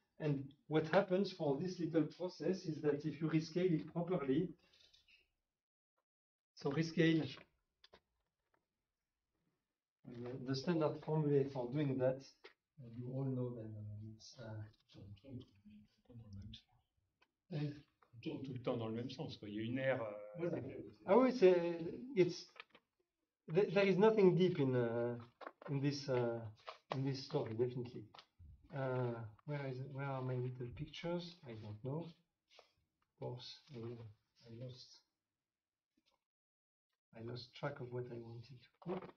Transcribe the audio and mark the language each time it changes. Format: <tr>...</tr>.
<en>And what happens for this little process is that if you rescale it properly, so rescale, the standard formula for doing that, you all know that it's...</en> <fr>Tout le temps dans le même sens, quoi. Il y a une aire...</fr> <en>Ah oui, it's... There is nothing deep in this story, definitely. Where are my little pictures? I don't know. Of course, I lost track of what I wanted to put.</en>